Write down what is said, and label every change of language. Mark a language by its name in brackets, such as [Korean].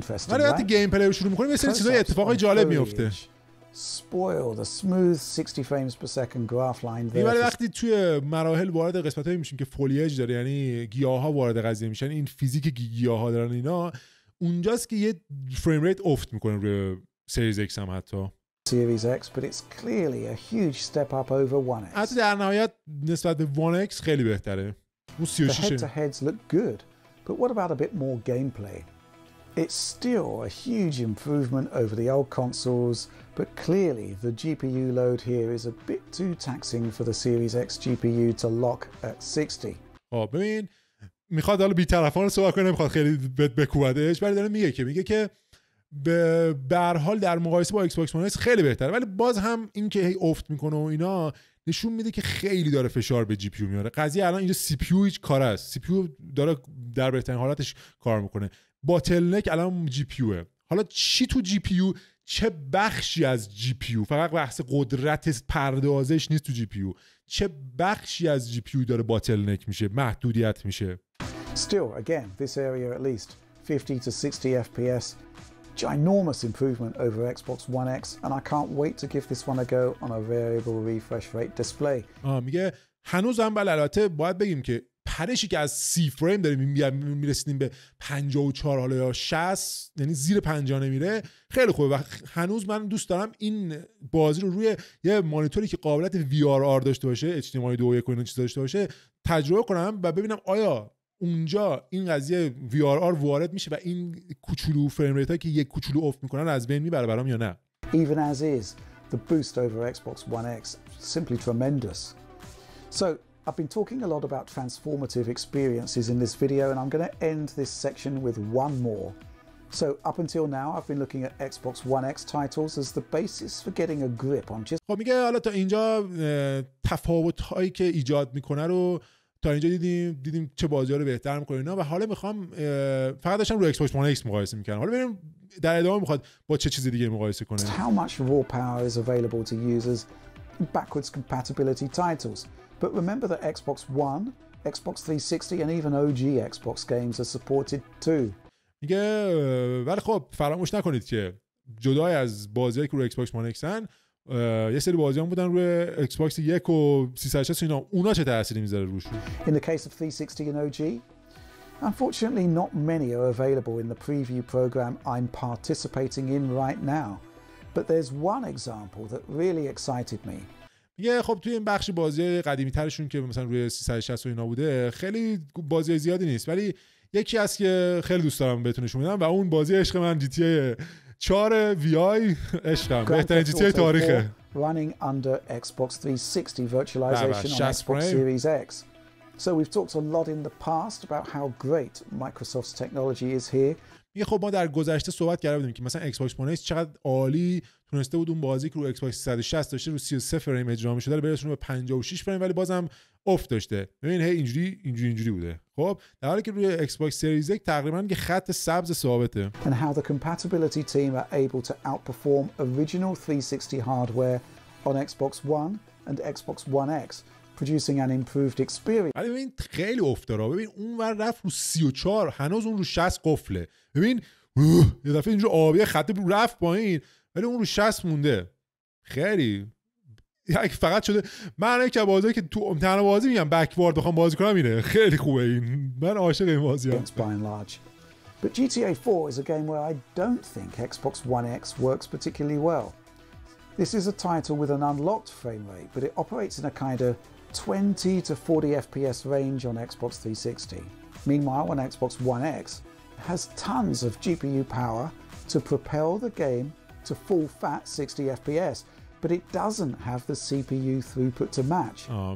[Persian] ولی وقتی گیم پلی رو شروع میکنیم یه سری چیزای اتفاقی جالب میفته. [English] Spoil the smooth 60 frames per second graph line there. [Persian] ولی وقتی توی مراحل وارد قسمت هایی میشیم که فولیج داره، یعنی گیاه ها وارد قضیه میشن، این فیزیک گیاه ها دارن اینا، اونجاست که یه فریم ریت افت میکنه روی سریز ایکس هم حتی. [English] Series X, but it's clearly a huge step up over 1X. [Persian] حتی در نهایت نسبت به 1X خیلی بهتره. [English] The head-to-heads look good, but what about a bit more gameplay? It's still a huge improvement over the old consoles, but clearly the GPU load here is a bit too taxing for the Series X GPU to lock at 60. [Persian] آه ببین، میخواد حالا بی‌طرفانه صحبت کنه، میخواد خیلی بکوبدش، ولی داره میگه که به هر حال در مقایسه با ایکس باکس وان ایکس خیلی بهتره، ولی باز هم این که هی افت میکنه و اینا نشون میده که خیلی داره فشار به جی پی یو میاره. قضیه الان اینجا سی پی یو هیچ کاره است، سی پی یو داره در بهترین حالتش کار میکنه، باتلنک الان جی پی یوه. حالا چی تو جی پی یو، چه بخشی از جی پی یو، فقط بحث قدرت پردازش نیست تو جی پی یو، چه بخشی از جی پی یو داره باتلنک میشه، محدودیت میشه. [English] Still, again, this area at least, 50 to 60 FPS, ginormous improvement over Xbox One X, and I can't wait to give this one a go on a variable refresh rate display. [Persian] میگه هنوز هم بله، البته باید بگیم که پرشی که از 30 فریم داریم میرسیم به 54 حالا یا 60، یعنی زیر 50 نمیره، خیلی خوبه و هنوز من دوست دارم این بازی رو روی یه مانیتوری که قابلیت VRR داشته باشه، HDMI 2.1 و این چیزا داشته باشه تجربه کنم و ببینم آیا اونجا این قضیه VRR وارد میشه و این کوچولو فریم ریت ها که یک کوچولو افت میکنن از بین میبره برام یا نه. [English] Even as is, the boost over Xbox One X, simply tremendous. So, I've been talking a lot about transformative experiences in this video and I'm going to end this section with one more. So, up until now, I've been looking at Xbox One X titles as the basis for getting a grip on just... [Persian] خب میگه حالا تا اینجا تفاوت هایی که ایجاد میکنه رو تا اینجا دیدیم چه بازی‌ها رو بهتر می‌کنه اینا و حالا می‌خوام فقط داشتم رو ایکس‌باکس وان ایکس مقایسه می‌کردم، حالا ببینیم در ادامه می‌خواد با چه چیز دیگه مقایسه کنه. [English] How much raw power is available to users in backwards compatibility titles. But remember that Xbox One, Xbox 360 and even OG Xbox games are supported too. [Persian] میگه ولی خب فراموش نکنید که جدای از بازی‌هایی که رو ایکس‌باکس وان ایکسن یه سری بازی هم بودن روی ایکس باکس 1 و 360 اینا، اونا چه تأثیری میذاره روشون؟ [English] In the case of 360 and OG, unfortunately not many are available in the preview program I'm participating in right now. But there's one example that really excited me. [Persian] میگه خب توی این بخش بازی قدیمی ترشون که مثلا روی 360 و اینا بوده خیلی بازی زیادی نیست، ولی یکی هست که خیلی دوست دارم بهتونشون بدم و اون بازی عشق من GTA 4 VI عشقم، بهترین GTA تاریخه. [English] Running under Xbox 360 virtualization on Xbox Series X. So we've talked a lot in the past about how great Microsoft's technology is here. [Persian] میگه خب ما در گذشته صحبت کرده بودیم که مثلا Xbox One X چقدر عالی تونسته بود اون بازی که رو Xbox 360 داشته رو 33 فریم اجرا می‌شد رو برسونه به 56 فریم، ولی بازم افت داشته. ببین هی اینجوری بوده. خب در حالی که روی Xbox Series X تقریبا یه خط سبز ثابته. [English] And how the compatibility team are able to outperform original 360 hardware on Xbox One and Xbox One X. Producing an improved experience. [Persian] آره ببین خیلی افتراه. ببین اون ور رفت رو 34، هنوز اون رو 60 قفله. ببین یه دفعه اینجا آبی خط رفت با این، ولی اون رو 60 مونده. خیلی یک فقط شده. من یکی بازی که تو امتحان بازی میگم بکوارد بخوام بازی کنم اینه. خیلی خوبه این. من عاشق این بازی هم. [English] But GTA 4 is a game where I don't think Xbox One X works particularly well. This is a title with an unlocked frame rate, but it operates in a kind of 20 to 40 FPS range on Xbox 360. Meanwhile, on Xbox One X, it has tons of GPU power to propel the game to full fat 60 FPS, but it doesn't have the CPU throughput to match.